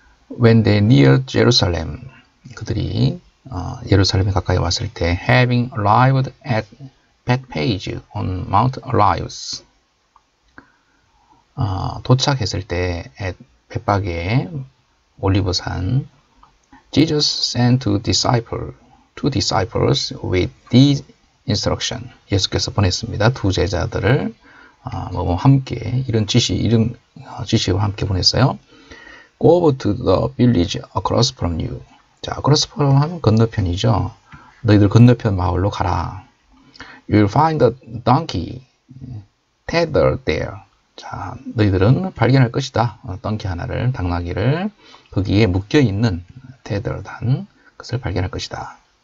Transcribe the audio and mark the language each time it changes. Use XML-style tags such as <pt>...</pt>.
<en>When they neared Jerusalem,</en> <ko>그들이 예루살렘에 가까이 왔을 때,</ko> <en>having arrived at Bethpage on Mount Olives,</en> <ko>도착했을 때,</ko> <en>at 벳바게 올리브산, Jesus sent two disciples with these instruction.</en> <ko>예수께서 보냈습니다. 두 제자들을 함께 이런 지시와 함께 보냈어요.</ko> <en>Go over to the village across from you.</en> <ko>자, across from 하면 건너편이죠. 너희들 건너편 마을로 가라.</ko> <en>You'll find a donkey tethered there.</en> <ko>자, 너희들은 발견할 것이다. 덩키 하나를, 당나귀를 거기에 묶여 있는 tethered한 것을 발견할 것이다.</ko>